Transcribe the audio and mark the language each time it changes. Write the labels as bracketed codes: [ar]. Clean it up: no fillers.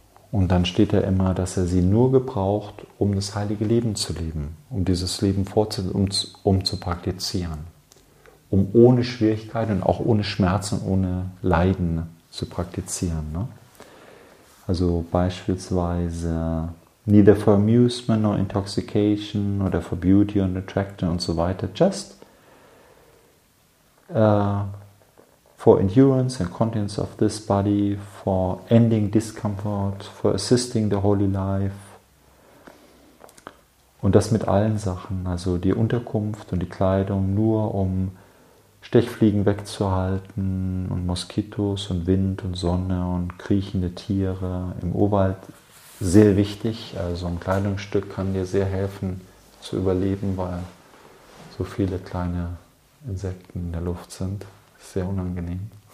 [de] Und dann steht da immer, dass er sie nur gebraucht, um das heilige Leben zu leben, um dieses Leben fortzusetzen, um zu praktizieren. Um ohne Schwierigkeiten und auch ohne Schmerzen, ohne Leiden zu praktizieren. Ne? Also beispielsweise [en] neither for amusement nor intoxication [de] oder [en] for beauty and attraction [de] und so weiter. [en] Just for endurance and continence of this body, for ending discomfort, for assisting the holy life. [de] Und das mit allen Sachen, also die Unterkunft und die Kleidung, nur um Stechfliegen wegzuhalten und Moskitos und Wind und Sonne und kriechende Tiere im Urwald. Sehr wichtig, also ein Kleidungsstück kann dir sehr helfen zu überleben, weil so viele kleine Insekten in der Luft sind. Sehr unangenehm.